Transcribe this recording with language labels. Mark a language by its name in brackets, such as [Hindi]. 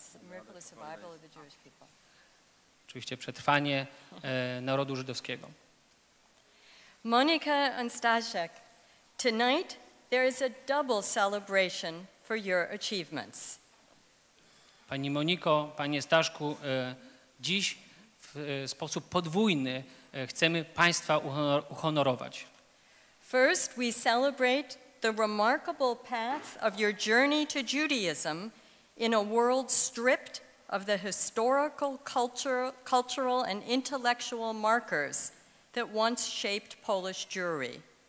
[English] miracle of survival of the Jewish people. [Polish] Oczywiście przetrwanie narodu żydowskiego. [English] Monika and Staszek, tonight there is a double celebration for your achievements. [Polish] Pani Moniko, panie Staszku, dziś w sposób podwójny chcemy państwa uhonorować. [English] First, we celebrate the remarkable path of your journey to Judaism in a world stripped of the historical, cultural and intellectual markers that once shaped Polish Jewry.